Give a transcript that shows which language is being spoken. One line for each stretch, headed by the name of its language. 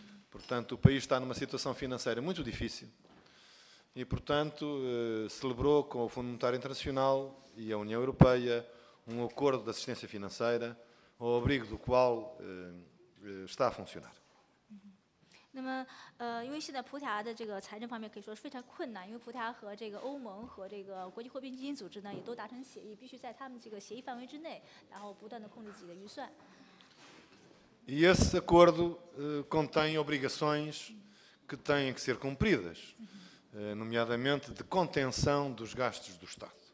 Portuguese: Portanto, o país está numa situação financeira muito difícil e, portanto, celebrou com o Fundo Monetário Internacional e a União Europeia um acordo de assistência financeira ao abrigo do qual está a funcionar.
Chinese: 那么，因为现在葡萄牙的这个财政方面可以说是非常困难，因为葡萄牙和这个欧盟和这个国际货币基金组织呢也都达成协议，必须在他们这个协议范围之内，然后不断的控制自己的预算。
Portuguese: E esse acordo contém obrigações que têm que ser cumpridas, nomeadamente de contenção dos gastos do Estado.